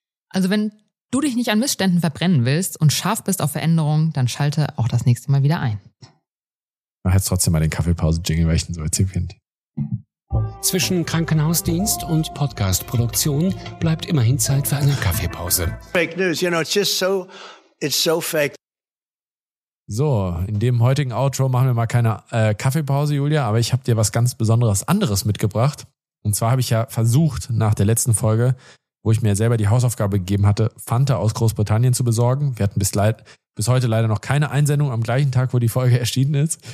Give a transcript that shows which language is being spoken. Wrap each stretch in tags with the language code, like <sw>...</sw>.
<de>Also wenn du dich nicht an Missständen verbrennen willst und scharf bist auf Veränderungen, dann schalte auch das nächste Mal wieder ein. Mach jetzt trotzdem mal den Kaffeepause-Jingle, weil ich ihn so erzählen finde. Zwischen Krankenhausdienst und Podcastproduktion bleibt immerhin Zeit für eine Kaffeepause.</de> <en>Fake news, you know, it's so fake.</en> <de>So, in dem heutigen Outro machen wir mal keine Kaffeepause, Julia, aber ich habe dir was ganz Besonderes anderes mitgebracht. Und zwar habe ich ja versucht, nach der letzten Folge, wo ich mir selber die Hausaufgabe gegeben hatte, Fanta aus Großbritannien zu besorgen. Wir hatten bis heute leider noch keine Einsendung am gleichen Tag, wo die Folge erschienen ist.</de>